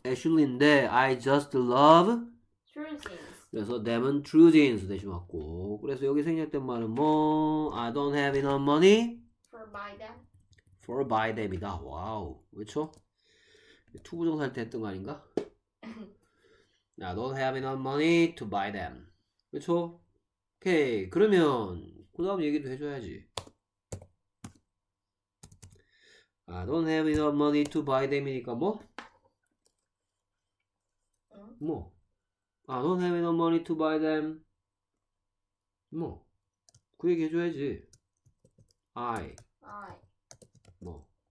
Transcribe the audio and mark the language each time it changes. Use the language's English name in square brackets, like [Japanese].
[English] Ashley인데, I just love True Jeans. [Korean] 그래서 them은 True Jeans 대신 왔고. 그래서 여기 생략된 말은 뭐? [English] I don't have enough money for buy them. For buy them [Korean] 이다. 와우. 그쵸? 투부정사 할 때 했던 거 아닌가? [English] I don't have enough money to buy them. [Korean] 그쵸? 오케이. 그러면 그 다음 얘기도 해줘야지. [English] I don't have enough money to buy them이니까 [Korean] 뭐? 응? 뭐? [English] I don't have enough money to buy them. [Korean] 뭐? 그 얘기 해줘야지. I. 뭐?